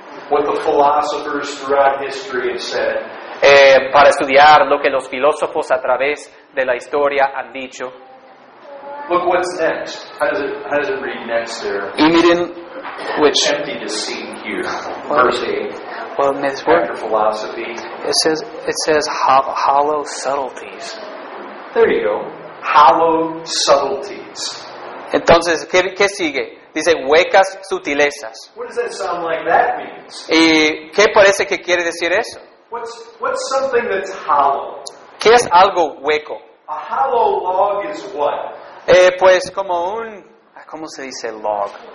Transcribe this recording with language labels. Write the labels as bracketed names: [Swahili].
[English] What the philosophers throughout history have said. [Spanish] Para estudiar lo que los filósofos a través de la historia han dicho. [English] Look what's next. How does it read next there? [Spanish] Y miren, [English] which empty deceit here. Verse 8. Well, it's word. After philosophy. It says hollow subtleties. There you go. Hollow subtleties. [Spanish] Entonces, ¿qué sigue? Dice huecas sutilezas. [English] What does that sound like that means? [Spanish] ¿Y qué parece que quiere decir eso? [English] What's something that's hollow? [Spanish] ¿Qué es algo hueco? [English] A hollow log is what? [Spanish] Pues como un, ¿cómo se dice log?